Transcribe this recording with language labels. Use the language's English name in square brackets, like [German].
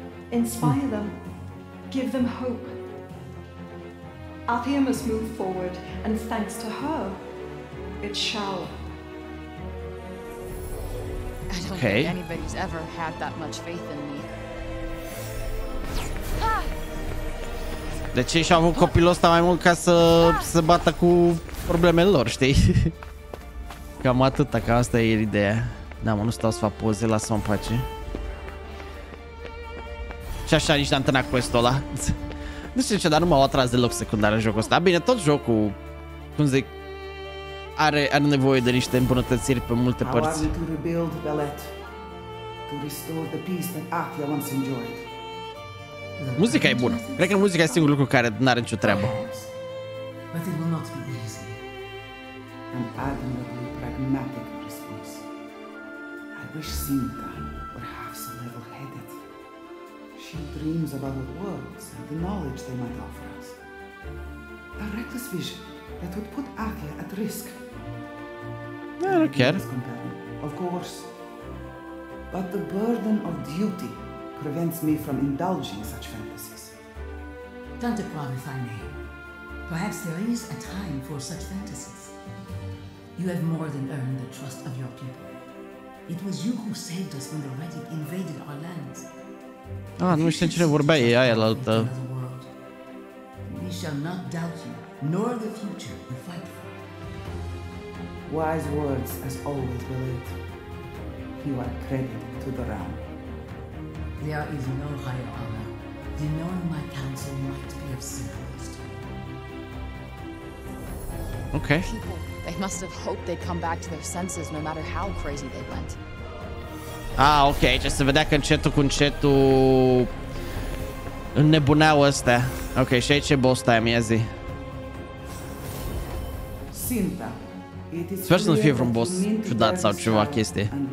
[English] Inspire them, give them hope. Athia must move forward, and thanks to her, it shall. I don't think anybody's ever had that much faith in me. [Romanian] De ce și-a avut copilul ăsta mai mult ca să se bată cu problemele lor, știi? Cam atâta, că asta e ideea. Da, mă, nu stau să fac poze, lasă-mă în pace. Și așa nici n-am terminat quest-ul ăla. Nu știu ce, dar nu m-au atras deloc secundar în jocul ăsta. Bine, tot jocul, cum zic, are nevoie de niște îmbunătățiri pe multe părți. [English] How are we to rebuild Belet? To restore the peace that Athia once enjoyed? [Romanian] Muzica e bună. Cred că muzica e singurul lucru care n-are nicio treabă. [English] But it will not be easy. An admirably pragmatic response. I wish Sinta were half so level-headed. She dreams of other worlds and the knowledge they might offer us. A reckless vision that would put Athia at risk. Yeah, I don't care. Of course. But the burden of duty prevents me from indulging such fantasies. Tante Prom, if I may, perhaps there is a time for such fantasies. You have more than earned the trust of your people. It was you who saved us when the Reddit invaded our lands. [Romanian] Ah, nu știu cine vorbea, e aia la altă. [English] We shall not doubt you, nor the future you fight for. Wise words, as always, Belit. You are credit to the realm. There is no higher honor than knowing my counsel might be of service to you. Okay. People, they must have hoped they'd come back to their senses no matter how crazy they went. [Romanian] Ah, ok, aici se vedea că încetul cu încetul înnebuneau ăsta. Ok, și aici e boss time, ia zi. Sinta, sper să nu fie vreun boss ciudat sau ceva chestie.